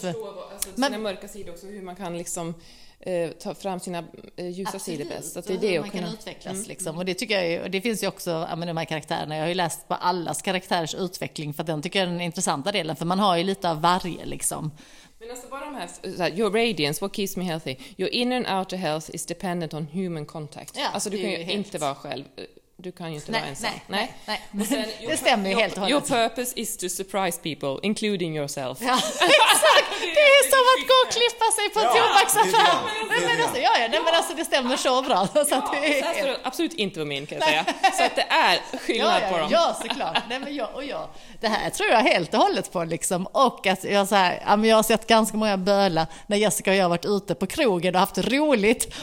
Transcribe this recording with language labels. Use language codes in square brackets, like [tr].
[sv] Förstå, alltså, sina mörka sidor också, hur man kan liksom, ta fram sina ljusa absolut, sidor bäst. Att det är det man kan utvecklas. Liksom. Och det tycker jag, och det finns ju också de här karaktärerna. Jag har ju läst på allas karaktärers utveckling, för att den tycker jag är den intressanta delen. För man har ju lite av varje liksom. Men alltså bara de här, såhär, [en] your radiance, what keeps me healthy? Your inner and outer health is dependent on human contact. [sv] Ja, alltså du kan ju helt... inte vara själv. Du kan ju inte vara ensam. Nej. Och sen, det stämmer ju helt och hållet. [en] Your purpose is to surprise people, including yourself. [sv] Ja, exakt! Det är som att gå och klippa sig på en tobaksaffär. Men alltså, det stämmer så bra. Så att det är... Absolut inte var min, kan jag säga. Så att det är skillnad på dem. Ja, såklart. Nej, men jag. Det här tror jag helt och hållet på. Liksom. Och att jag har sett ganska många böla när Jessica och jag har varit ute på krogen och haft roligt.